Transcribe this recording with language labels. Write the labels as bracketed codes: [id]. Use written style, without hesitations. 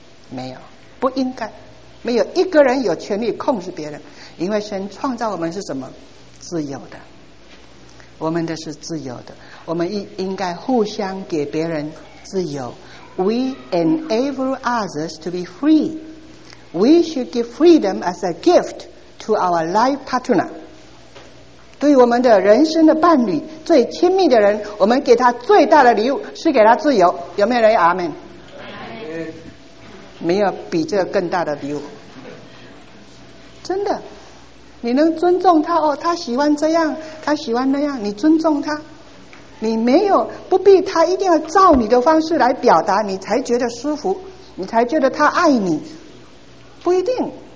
[zh] 没有，不应该，没有一个人有权利控制别人，因为神创造我们是什么？自由的，我们的是自由的，我们应该互相给别人自由。 [en] We enable others to be free. We should give freedom as a gift to our life partner. [zh] 对于我们的人生的伴侣，最亲密的人，我们给他最大的礼物是给他自由。有没有人阿们？没有比这个更大的礼物，真的。你能尊重他哦，他喜欢这样，他喜欢那样，你尊重他，你没有不必他一定要照你的方式来表达，你才觉得舒服，你才觉得他爱你，不一定。